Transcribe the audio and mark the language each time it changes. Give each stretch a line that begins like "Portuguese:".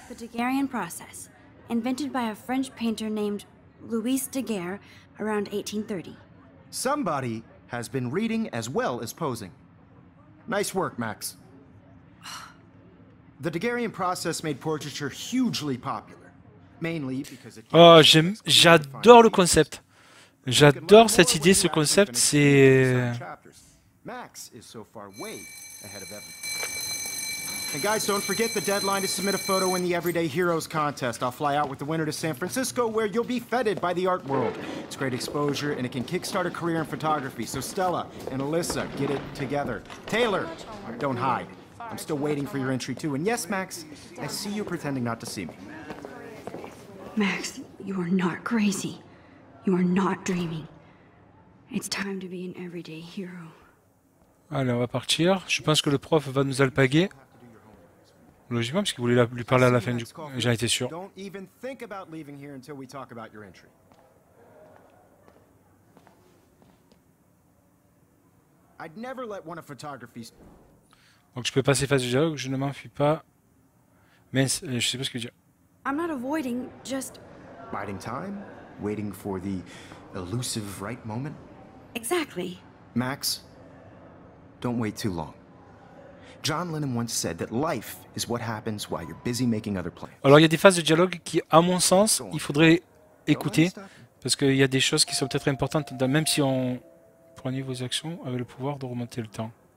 English: The Daguerrean process, invented by a French painter named Louis Daguerre around 1830. Somebody has been reading as well as posing. Nice work, Max. The Daguerrean process made portraiture hugely popular, mainly because it.
French: Oh, j'adore le concept. J'adore cette idée, ce concept, c'est...
English: Max is so far way ahead of everything. And guys, don't forget the deadline to submit a photo in the Everyday Heroes contest. I'll fly out with the winner to San Francisco, where you'll be feted by the art world. It's great exposure, and it can kickstart a career in photography. So Stella and Alyssa, get it together. Taylor, don't hide. I'm still waiting for your entry, too. And yes, Max, I see you pretending not to see me. Max, you are not crazy. You are not dreaming. It's time to be an everyday hero.
French: Allez, on va partir. Je pense que le prof va nous alpaguer. Logiquement, parce qu'il voulait lui parler à la fin du coup. J'en étais sûr.
English: Don't even think about leaving here until we talk about your entry. I'd never let one of photography's...
French: Donc je peux passer face au dialogue, je ne m'enfuis pas. Mais je sais pas ce que dire.
English: I'm not avoiding, just... Biding time, waiting for the elusive right moment. Exactly. Max, don't wait too long. John Lennon once said that life is what happens while you're busy making other plans.
French: Alors il y a des phases de dialogue qui, à mon sens, il faudrait écouter, parce qu'il y a des choses qui sont peut-être importantes, même si on prenait vos actions avec le pouvoir de remonter le temps.